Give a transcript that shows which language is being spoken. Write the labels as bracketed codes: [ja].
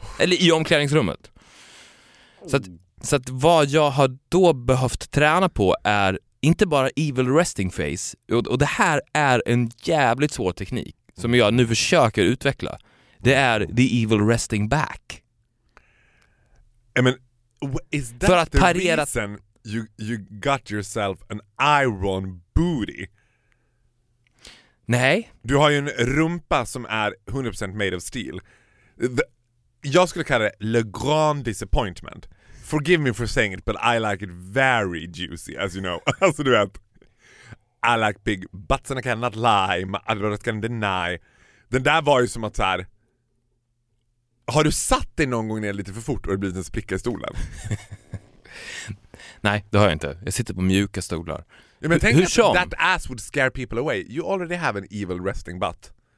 [sv] Eller i omklädningsrummet. Så att vad jag har då behövt träna på är inte bara [en] evil resting face. [sv] Och det här är en jävligt svår teknik som jag nu försöker utveckla. Det är [en] the evil resting back. [sv] Men Is that för att the parera... [en] reason you got yourself an iron booty? [sv] Nej. Du har ju en rumpa som är 100% [en] made of steel. [sv] Jag skulle kalla det le grand disappointment. [en] Forgive me for saying it, but I like it very juicy, as you know. [sv] Alltså du vet, [en] I like big butts and I cannot lie, my adverts can deny. [sv] Den där var ju som att så här, har du satt dig någon gång ner lite för fort och det blir en spricka i stolen? Nej, det har jag inte. Jag sitter på mjuka stolar. Ja, men tänk att [en] that ass would scare people away. You already have an evil resting butt.